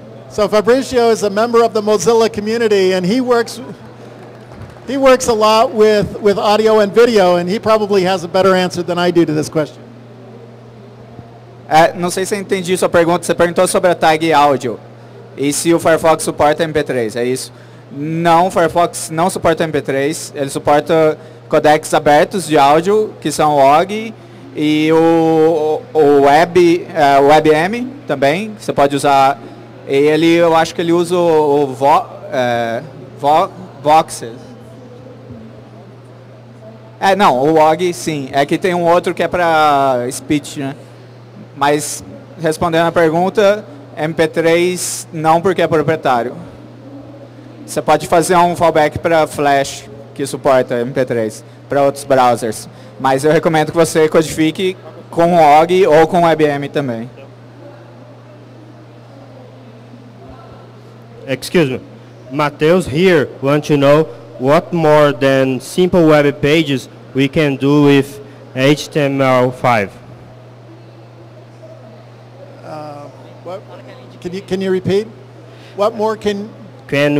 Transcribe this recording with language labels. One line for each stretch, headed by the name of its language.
English: So Fabrizio is a member of the Mozilla community, and he works a lot with audio and video, and he probably has a better answer than I do to this question.
Portuguese: Não sei se eu entendi sua pergunta. Você perguntou sobre a tag áudio e se o Firefox suporta MP3. É isso? Não, o Firefox não suporta MP3. Ele suporta codecs abertos de áudio, que são OGG, e o WebM também. Você pode usar. E ele, eu acho que ele usa o Voxels. Não, o OGG sim. É que tem um outro que é para speech, né? Mas, respondendo a pergunta, MP3 não porque é proprietário. Você pode fazer um fallback para Flash, que suporta MP3, para outros browsers. Mas eu recomendo que você codifique com o OGG ou com o WebM também.
English: Excuse me. Matheus here want to know what more than simple web pages we can do with HTML5. Can you repeat? What more can